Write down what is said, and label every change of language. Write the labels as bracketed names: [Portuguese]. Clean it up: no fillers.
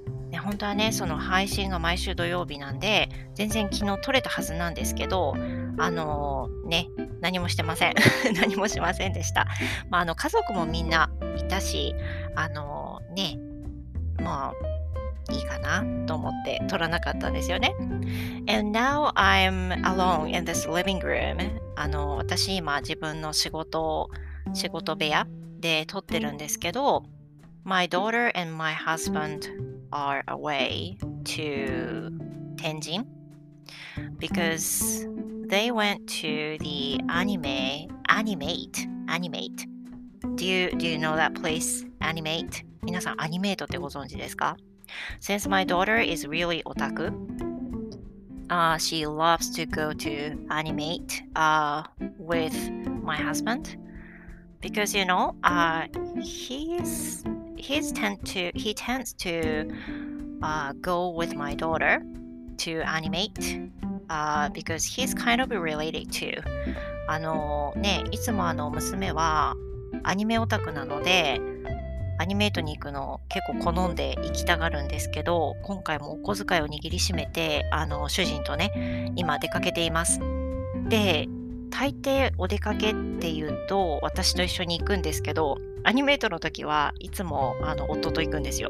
[Japanese] ね、本当はね、その配信が毎週土曜日なんで、全然昨日撮れたはずなんですけど、何もしてません。何もしませんでした。家族もみんないたし、いいかなと思って撮らなかったんですよね。 [English] And now I'm alone in this living room. [Japanese] 私今自分の仕事部屋で撮ってるんですけど、 [English] My daughter and my husband are away to 天津 because they went to the animate. Do you know that place? Animate? [Japanese] 皆さんアニメートってご存知ですか？ [English] Since my daughter is really otaku, she loves to go to animate with my husband. Because, you know, he tends to go with my daughter to animate because he's kind of related to. [Japanese] いつも娘はアニメオタクなので、アニメートに行くの結構好んで行きたがるんですけど、今回もお小遣いを握りしめて主人とね今出かけています。で、大抵お出かけっていうと私と一緒に行くんですけど、アニメートの時はいつも夫と行くんですよ。